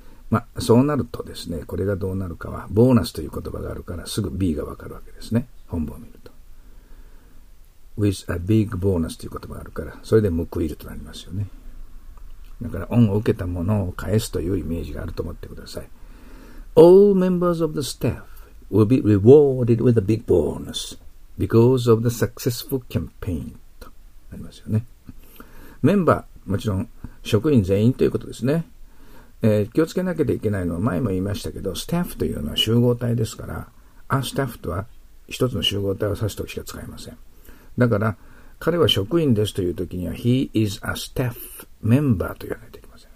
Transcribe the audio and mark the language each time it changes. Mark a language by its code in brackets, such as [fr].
[ja] まあ、そうなるとですね、これがどうなるかは、ボーナスという言葉があるから、すぐ B がわかるわけですね。本文を見ると。 [en] with a big bonus [ja] という言葉があるから、それで報いるとなりますよね。だから、恩を受けたものを返すというイメージがあると思ってください。 [en] All members of the staff will be rewarded with a big bonus because of the successful campaign [ja] となりますよね。メンバー、もちろん職員全員ということですね。気をつけなきゃいけないのは、前も言いましたけど、スタッフというのは集合体ですから、アスタッフとは一つの集合体を指すときしか使えません。だから、彼は職員ですというときには、 [en] he is a staff member [ja] と言わないといけません。